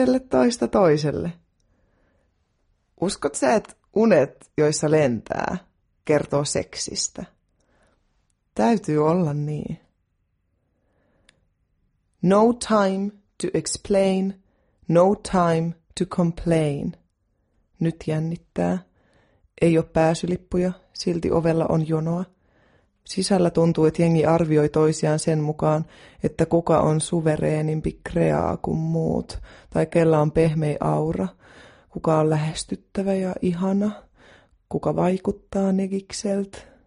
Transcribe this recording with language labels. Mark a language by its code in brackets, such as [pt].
[fi] Toista toiselle. Uskot sä, että unet, joissa lentää, kertoo seksistä? Täytyy olla niin. [en] No time to explain, no time to complain. [fi] Nyt jännittää. Ei ole pääsylippuja, silti ovella on jonoa. Sisällä tuntuu, että jengi arvioi toisiaan sen mukaan, että kuka on suvereenimpi kreaa kuin muut, tai kella on pehmeä aura, kuka on lähestyttävä ja ihana, kuka vaikuttaa negikselt.